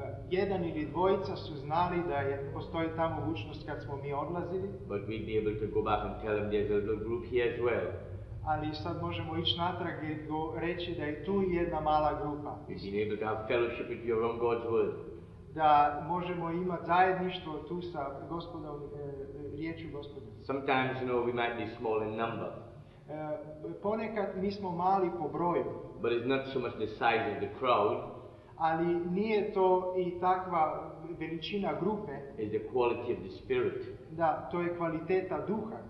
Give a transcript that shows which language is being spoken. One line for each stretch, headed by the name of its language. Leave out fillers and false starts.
Croatian: Jedan ili dvojica su znali da je postoji ta mogućnost kad smo mi odlazili.
English: But we'd be able to go back and tell them there's a little group here as well.
Croatian: Ali sad možemo ići natrag i reći da je tu jedna mala grupa.
English: We'd be able to have fellowship with your own God's word.
Croatian: Da možemo imati zajedništvo tu sa Gospodom, riječju Gospoda.
English: Sometimes, you know, we might be small in number.
Croatian: Ponekad mi smo mali po broju.
English: But it's not so much the size of the crowd.
Croatian: Ali nije to i takva veličina grupe.
English: It's the quality of the spirit.
Croatian: Da, to je kvaliteta duha.